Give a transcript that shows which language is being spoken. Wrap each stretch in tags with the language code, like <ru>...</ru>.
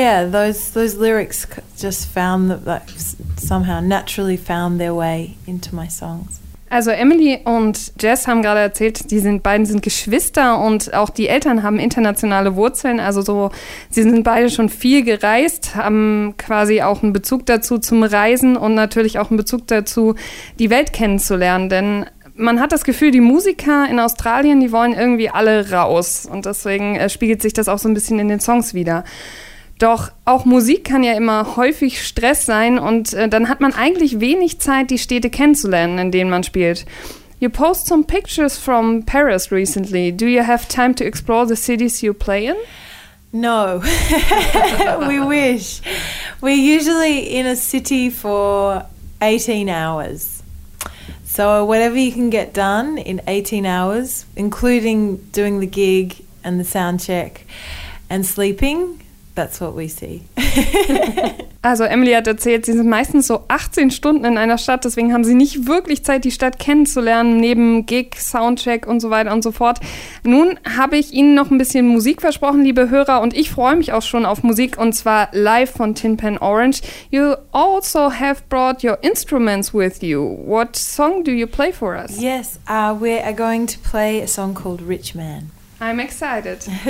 <en>Those lyrics just found somehow naturally found their way into my songs.</en> <de>Also Emily und Jess haben gerade erzählt, die beiden sind Geschwister und auch die Eltern haben internationale Wurzeln. Also so, sie sind beide schon viel gereist, haben quasi auch einen Bezug dazu zum Reisen und natürlich auch einen Bezug dazu, die Welt kennenzulernen. Denn man hat das Gefühl, die Musiker in Australien, die wollen irgendwie alle raus. Und deswegen spiegelt sich das auch so ein bisschen in den Songs wieder. Doch auch Musik kann ja immer häufig Stress sein und dann hat man eigentlich wenig Zeit, die Städte kennenzulernen, in denen man spielt.</de> <en>You post some pictures from Paris recently. Do you have time to explore the cities you play in? No. We wish. We're usually in a city for 18 hours. So whatever you can get done in 18 hours, including doing the gig and the sound check and sleeping, that's what we see.</en> <de>Also Emily hat erzählt, sie sind meistens so 18 Stunden in einer Stadt, deswegen haben sie nicht wirklich Zeit, die Stadt kennenzulernen, neben Gig, Soundcheck und so weiter und so fort. Nun habe ich Ihnen noch ein bisschen Musik versprochen, liebe Hörer, und ich freue mich auch schon auf Musik, und zwar live von Tin Pan Orange.</de> <en>You also have brought your instruments with you. What song do you play for us? Yes, we are going to play a song called Rich Man. I'm excited.</en>